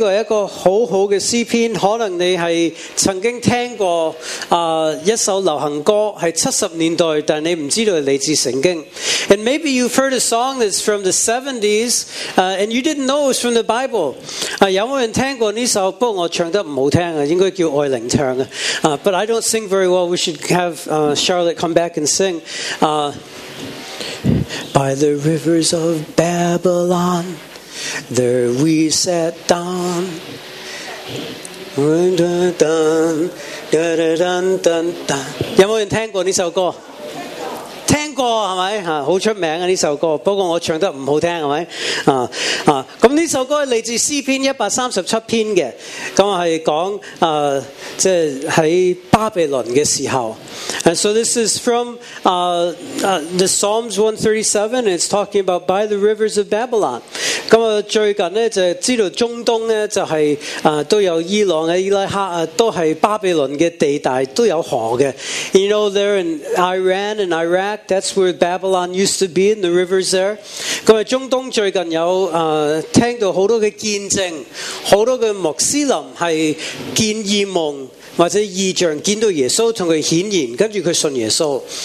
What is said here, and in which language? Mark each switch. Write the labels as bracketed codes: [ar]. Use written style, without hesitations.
[yue] 呢个系一个好好嘅诗篇，可能你系曾经听过一首流行歌，系七十年代，但你唔知道系嚟自圣经。 [en] And maybe you've heard a song that's from the 70s, and you didn't know it was from the Bible. [yue] 有冇人听过呢首？不过我唱得唔好听啊，应该叫爱玲唱啊。 [en] But I don't sing very well. We should have Charlotte come back and sing. By the rivers of Babylon, there we sat down. Dun dun dun dun dun dun. [yue] 有冇人听过呢首歌？听过系咪？吓，好出名啊呢首歌。不过我唱得唔好听系咪？咁呢首歌系嚟自诗篇一百三十七篇嘅。咁系讲即系喺巴比伦嘅时候。 [en] And so this is from the Psalms 137, and it's talking about by the rivers of Babylon. [yue] 咁啊，最近咧就知道中东咧就系、都有伊朗啊、伊拉克啊，都系巴比伦嘅地带都有河嘅。 [en] You know, there in Iran and Iraq, that's where Babylon used to be in the rivers there. [yue] 咁啊，中东最近有听到好多嘅见证，好多嘅穆斯林系见异梦。或者异象见到耶稣同佢显现，跟住佢信耶稣。